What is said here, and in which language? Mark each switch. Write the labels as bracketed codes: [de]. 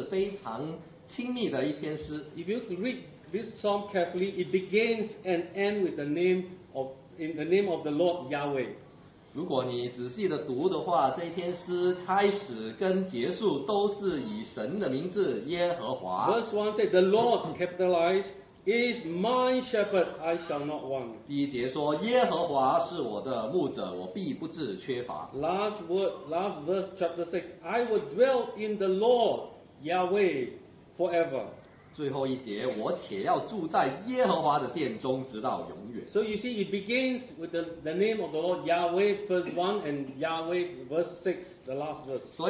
[zh] 他是故意的将这篇诗写为个人的，因为它是非常亲密的一篇诗。 [en] If you read this psalm carefully, it begins and ends with the name of the Lord Yahweh. [zh] 如果你仔细的读的话，这篇诗开始跟结束都是以神的名字耶和华。 [en] Verse 1 says, The Lord capitalized is my shepherd, I shall not want. [zh] 第一节说，耶和华是我的牧者，我必不致缺乏。 [en] Last verse, chapter 6, I will dwell in the Lord Yahweh forever. [zh] 最后一节，我且要住在耶和华的殿中，直到永远。 [en] So you see, it begins with the name of the Lord Yahweh, verse 1, and Yahweh, verse 6, the last verse.